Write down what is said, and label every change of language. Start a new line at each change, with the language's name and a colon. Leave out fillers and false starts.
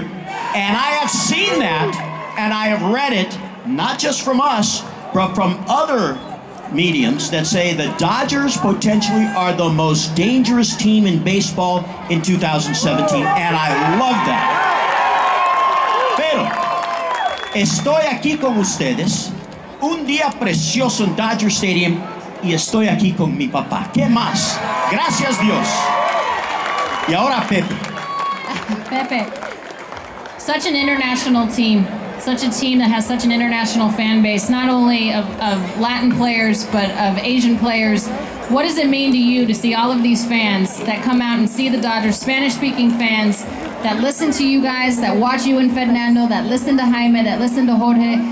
English: And I have seen that, and I have read it, not just from us, but from other mediums that say the Dodgers potentially are the most dangerous team in baseball in 2017, and I love that.
Spanish: Pero, estoy aquí con ustedes, un día precioso en Dodger Stadium, y estoy aquí con mi papá. ¿Qué más? Gracias, Dios. Y ahora, Pepe.
English: Pepe, such an international team, such a team that has such an international fan base, not only of Latin players, but of Asian players. What does it mean to you to see all of these fans that come out and see the Dodgers, Spanish-speaking fans that listen to you guys, that watch you and Fernando, that listen to Jaime, that listen to Jorge?